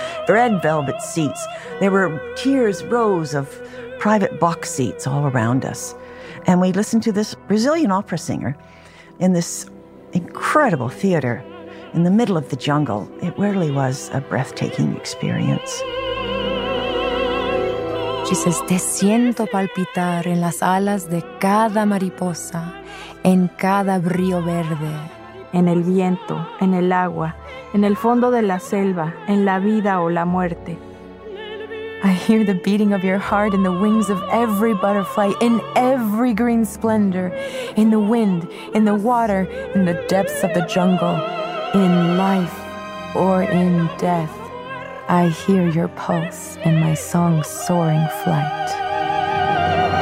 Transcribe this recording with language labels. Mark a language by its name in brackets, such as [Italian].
[English] Red velvet seats. There were tiers, rows of private box seats all around us. And we listened to this Brazilian opera singer in this incredible theater. In the middle of the jungle, it really was a breathtaking experience. She says, [Spanish] te siento palpitar en las alas de cada mariposa, en cada río verde. En el viento, en el agua, en el fondo de la selva, en la vida o la muerte. [English] I hear the beating of your heart in the wings of every butterfly, in every green splendor, in the wind, in the water, in the depths of the jungle. In life or in death, I hear your pulse in my song's soaring flight.